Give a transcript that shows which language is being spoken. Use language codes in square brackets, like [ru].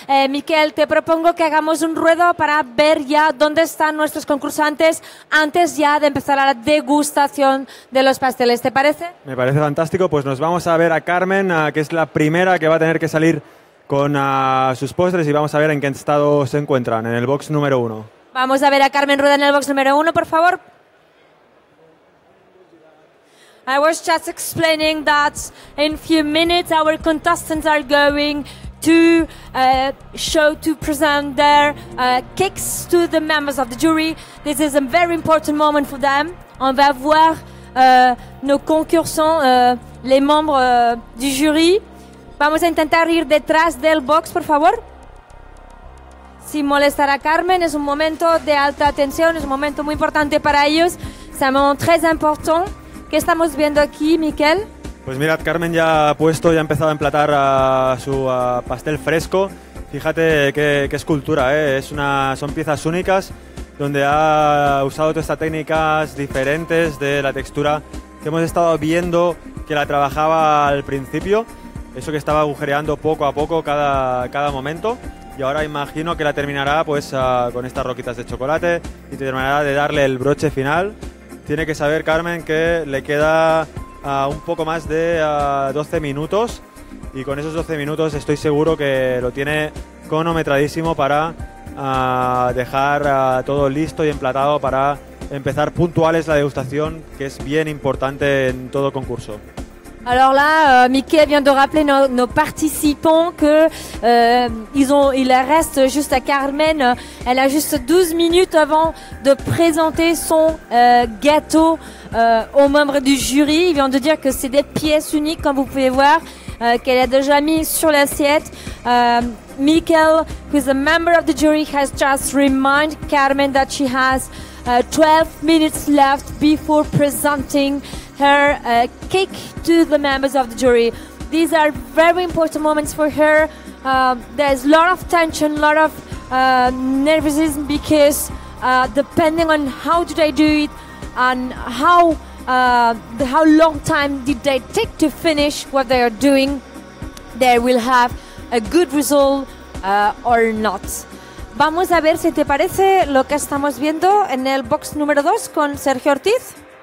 [es] Miquel, te propongo que hagamos un ruedo para ver ya dónde están nuestros concursantes antes ya de empezar a la degustación de los pasteles, ¿te parece? Me parece fantástico, pues nos vamos a ver a Carmen, que es la primera que va a tener que salir con sus postres y vamos a ver en qué estado se encuentran, en el box número uno. Vamos a ver a Carmen Rueda en el box número uno, por favor. [en] I was just explaining that in few minutes our contestants are going to show to present their cakes to the members of the jury. This is a very important moment for them. [fr] On va voir nos concursants, les membres du jury. [es] Vamos a intentar ir detrás del box, por favor. Sin molestar a Carmen, es un momento de alta tensión, es un momento muy importante para ellos. Es un momento muy importante. ¿Qué estamos viendo aquí, Miquel? Pues mirad, Carmen ya ha puesto, ya ha empezado a emplatar su pastel fresco. Fíjate qué escultura, ¿eh? Son piezas únicas donde ha usado todas estas técnicas diferentes de la textura que hemos estado viendo que la trabajaba al principio. Eso que estaba agujereando poco a poco cada momento. Y ahora imagino que la terminará con estas roquitas de chocolate y terminará de darle el broche final. Tiene que saber, Carmen, que le queda un poco más de 12 minutos y con esos 12 minutos estoy seguro que lo tiene cronometradísimo para dejar todo listo y emplatado para empezar puntuales la degustación, que es bien importante en todo concurso. [fr] Alors là, Mickey vient de rappeler nos participants que il reste juste à Carmen. Elle a juste 12 minutes avant de présenter son gâteau aux membres du jury. Il vient de dire que c'est des pièces uniques, comme vous pouvez voir, qu'elle a déjà mis sur l'assiette. [en] Mickey, who is a member of the jury, has just reminded Carmen that she has 12 minutes left before presenting her cake to the members of the jury. These are very important moments for her. There's a lot of tension, a lot of nervousness because depending on how did they do it and how long time did they take to finish what they are doing, they will have a good result or not. [es] Vamos a ver si te parece lo que estamos viendo en el box número 2 con Sergio Ortiz.